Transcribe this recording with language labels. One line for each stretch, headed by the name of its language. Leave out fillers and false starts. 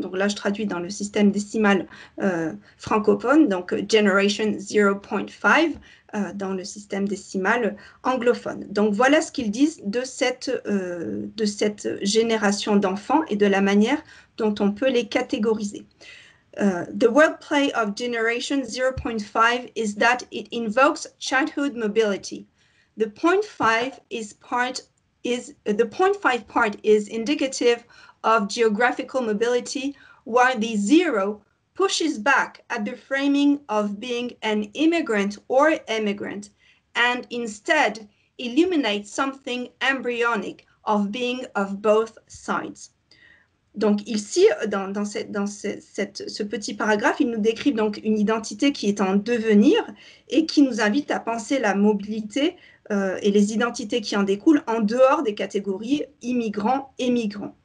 French: Donc là, je traduis dans le système décimal francophone, donc generation 0,5 dans le système décimal anglophone. Donc voilà ce qu'ils disent de cette génération d'enfants et de la manière dont on peut les catégoriser.
English: The wordplay of generation 0,5 is that it invokes childhood mobility. The 0.5 the 0.5 part is indicative of geographical mobility, while the zero pushes back at the framing of being an immigrant or emigrant, and instead illuminates something embryonic of being of both sides.
French: Donc ici, ce petit paragraphe, il nous décrit donc une identité qui est en devenir et qui nous invite à penser la mobilité et les identités qui en découlent en dehors des catégories immigrants, émigrants.